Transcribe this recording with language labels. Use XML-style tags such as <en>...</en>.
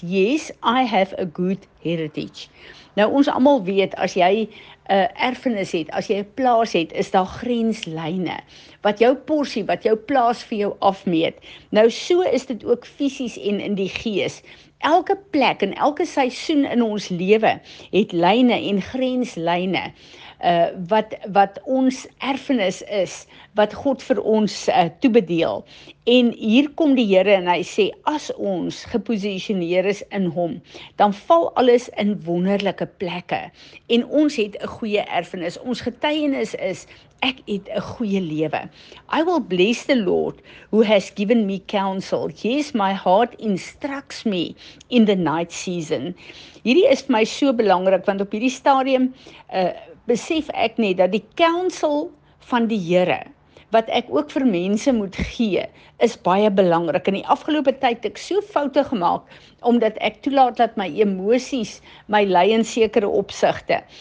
<en>Yes, I have a good heritage."</en> <af>Nou, ons almal weet, as jy 'n erfenis het, as jy 'n plaas het, is daar grenslyne wat jou porsie, wat jou plaas vir jou afmeet. Nou, so is dit ook fisies en in die gees. Elke plek en elke seisoen in ons lewe het lyne en grenslyne wat ons erfenis is, wat God vir ons toebedeel. En hier kom die Here en hy sê, as ons geposisioneer is in hom, dan val alles in wonderlike plekke. En ons het 'n goeie erfenis. Ons getuienis is, ek het 'n goeie lewe.</af> <en>I will bless the Lord who has given me counsel. Yes, my heart instructs me in the night season.</en> <af>Hierdie is vir my so belangrik, want op hierdie stadium besef ek net dat die counsel van die Here, wat ek ook vir mense moet gee, is baie belangrik. In die afgelope tyd het ek so foute gemaak, omdat ek toelaat dat my emosies my lei in sekere opsigte.</af>